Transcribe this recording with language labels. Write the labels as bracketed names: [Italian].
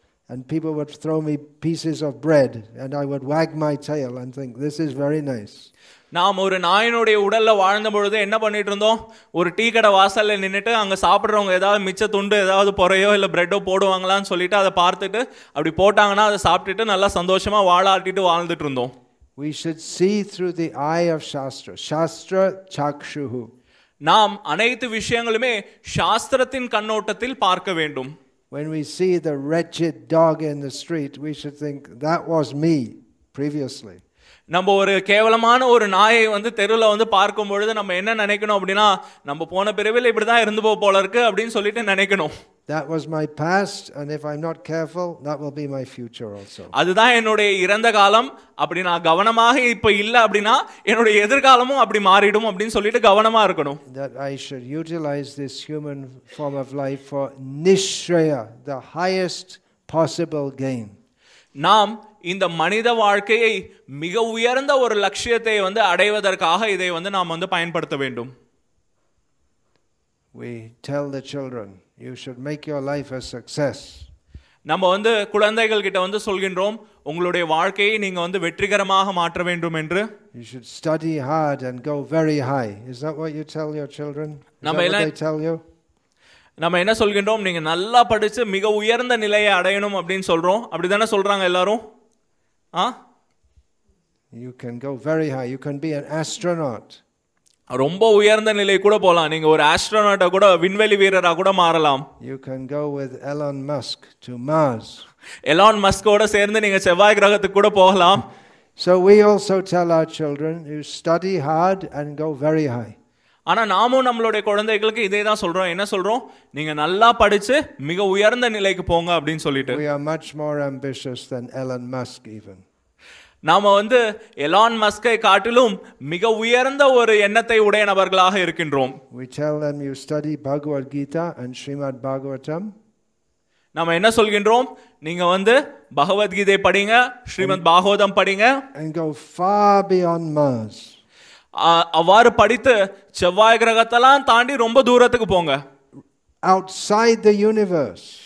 [English] And people would throw me pieces of bread and I would wag my tail and think, this is very nice. [Tamil] நாம் ஒரு நாயினுடைய உடல்ல வாழ்ந்த பொழுது என்ன பண்ணிட்டு இருந்தோம், ஒரு டீ கடை வாசல்ல நின்றுட்டு அங்க சாப்பிடுறவங்க ஏதாவது மிச்ச துண்டு ஏதாவது பொறையோ இல்ல பிரெட்டோ போடுவாங்களான்னு சொல்லிட்டு அதை பார்த்துட்டு அப்படி போட்டாங்கன்னா அதை சாப்பிட்டுட்டு நல்லா சந்தோஷமா வாழாட்டிட்டு வாழ்ந்துட்டு இருந்தோம். [English] We should see through the eye of Shastra. [Sanskrit] Shastra Chakshuhu. [Tamil] நாம் அனைத்து விஷயங்களுமே சாஸ்திரத்தின் கண்ணோட்டத்தில் பார்க்க வேண்டும். [English] When we see the wretched dog in the street, we should think, that was me previously. [Tamil] நம்ம ஒரு கேவலமான ஒரு நாயை வந்து தெருவில் வந்து பார்க்கும் பொழுது நம்ம என்ன நினைக்கணும் அப்படின்னா, நம்ம போன பிறவில் இப்படி தான் இருந்து போல இருக்கு அப்படின்னு சொல்லிட்டு நினைக்கணும். [English] That was my past and if I'm not careful that will be my future also. [Tamil] அதுதான் என்னுடைய இறந்த காலம். அப்படி நான் கவனமாக இப்ப இல்ல அப்படினா என்னுடைய எதிர்காலமும் அப்படி மாறிடும் அப்படினு சொல்லிட்டு கவனமா இருக்கணும். [English] That I should utilize this human form of life for nishraya, the highest possible gain. [Tamil] நாம் இந்த மனித வாழ்க்கையை மிக உயர்ந்த ஒரு லட்சியத்தை வந்து அடைவதற்காக இதை வந்து நாம் வந்து பயன்படுத்த வேண்டும். [English] We tell the children, you should make your life a success. [Tamil] நம்ம வந்து குழந்தைகள் கிட்ட வந்து சொல்கின்றோம், உங்களுடைய வாழ்க்கையை நீங்க வந்து வெற்றிகரமாக மாற்ற வேண்டும் என்று. [English] You should study hard and go very high. Is that what you tell your children? What they tell you? [Tamil] நம்ம என்ன சொல்கின்றோம், நீங்க நல்லா படிச்சு மிக உயர்ந்த நிலையை அடையணும் அப்படின்னு சொல்றோம். அப்படிதானே சொல்றாங்க எல்லாரும். [English] You can go very high. You can be an astronaut. [Tamil] ரொம்ப உயர்ந்த நிலை கூட போலாம், நீங்க ஒரு ஆஸ்ட்ரோனாட்டா கூட விண்வெளி வீரரா கூட மாறலாம். [English] You can go with Elon Musk to Mars. [Tamil] Elon Musk கூட சேர்ந்து நீங்க செவ்வாய் கிரகத்துக்கு கூட போகலாம். [English] So we also tell our children, you study hard and go very high. [Tamil] ஆனா நாமும் நம்மளுடைய குழந்தைகளுக்கு இதே தான் சொல்றோம். என்ன சொல்றோம், நீங்க நல்லா படிச்சு மிக உயர்ந்த நிலைக்கு போங்க அப்படினு சொல்லிட்டு. [English] We are much more ambitious than Elon Musk even. [Tamil] நாம வந்து எலான் மஸ்கை காட்டிலும் மிக உயர்ந்த ஒரு எண்ணத்தை உடைய நபர்களாக இருக்கின்றோம். [English] We tell them you study Bhagavad Gita and Srimad Bhagavatam. [Tamil] நாம என்ன சொல்கின்றோம், நீங்க வந்து பகவத் கீதை படிங்க, ஸ்ரீமத் பாகவதம் படிங்க. [English] And go far beyond Mars. [Tamil] அவ்வாறு படித்து செவ்வாய் கிரகத்தெல்லாம் தாண்டி ரொம்ப தூரத்துக்கு போங்க. [English] Outside the universe.